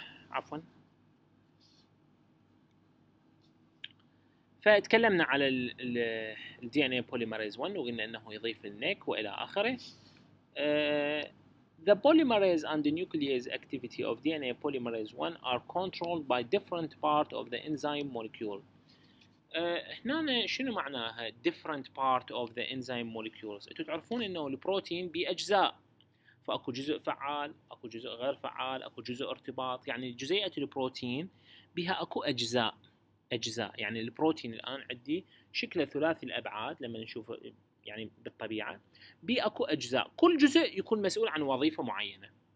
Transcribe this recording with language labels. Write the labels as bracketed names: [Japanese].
[Arabic] عفوا، فتكلمنا على ال DNA polymerase 1 وقلنا انه يضيف النيك والى اخره. [English] The polymerase and the nuclease activity of DNA polymerase 1 are controlled by different part of the enzyme molecule. [Arabic] هنا شنو معناها [English] different part of the enzyme molecules؟ [Arabic] انتم تعرفون انه البروتين باجزاء، فأكو جزء فعال، أكو جزء غير فعال، أكو جزء ارتباط، يعني جزيئة البروتين بها أكو أجزاء. أجزاء يعني البروتين الآن عندي شكله ثلاثي الأبعاد لما نشوف يعني بالطبيعة، بها أكو أجزاء، كل جزء يكون مسؤول عن وظيفة معينة.